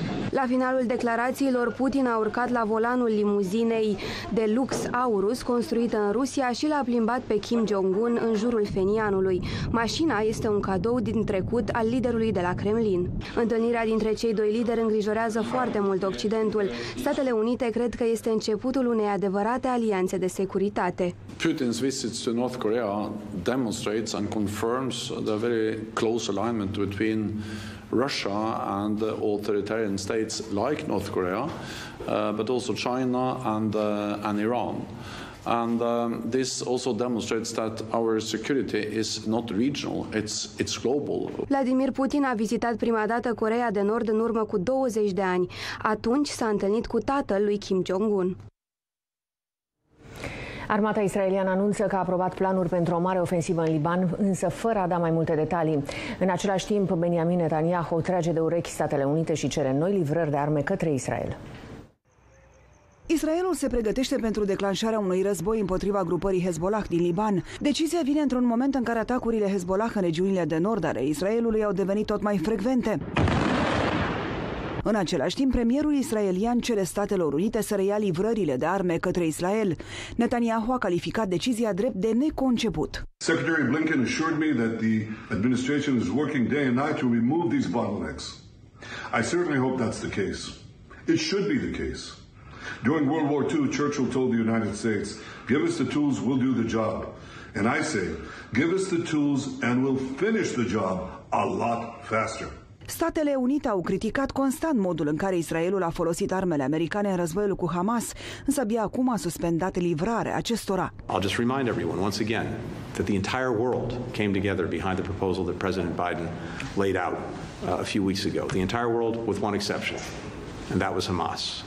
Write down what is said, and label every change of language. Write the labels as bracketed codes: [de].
[ro] La finalul declarațiilor, Putin a urcat la volanul limuzinei de lux Aurus, construită în Rusia, și l-a plimbat pe Kim Jong-un în jurul fenianului. Mașina este un cadou din trecut al liderului de la Kremlin. Întâlnirea dintre cei doi lideri îngrijorează foarte mult Occidentul. Statele Unite cred că este începutul unei adevărate alianțe de securitate. [en] Putin's visit to North Korea demonstrates and confirms the very close alignment between Russia and authoritarian states like North Korea, but also China and Iran. And this also demonstrates that our security is not regional, it's global. [ro] Vladimir Putin a vizitat prima dată Coreea de Nord în urmă cu 20 de ani. Atunci s-a întâlnit cu tatăl lui Kim Jong-un. Armata israeliană anunță că a aprobat planuri pentru o mare ofensivă în Liban, însă fără a da mai multe detalii. În același timp, Benjamin Netanyahu trage de urechi Statele Unite și cere noi livrări de arme către Israel. Israelul se pregătește pentru declanșarea unui război împotriva grupării Hezbollah din Liban. Decizia vine într-un moment în care atacurile Hezbollah în regiunile de nord ale Israelului au devenit tot mai frecvente. În același timp, premierul israelian cere Statelor Unite să reia livrările de arme către Israel. Netanyahu a calificat decizia drept de neconceput. [en] Secretary Blinken assured me that the administration is working day and night to remove these bottlenecks. I certainly hope that's the case. It should be the case. During World War II, Churchill told the United States, "Give us the tools, we'll do the job." And I say, "Give us the tools and we'll finish the job a lot faster." [ro] Statele Unite au criticat constant modul în care Israelul a folosit armele americane în războiul cu Hamas, însă abia acum a suspendat livrarea acestora. [en] I'll just remind everyone once again that the entire world came together behind the proposal that President Biden laid out a few weeks ago. The entire world with one exception, and that was Hamas.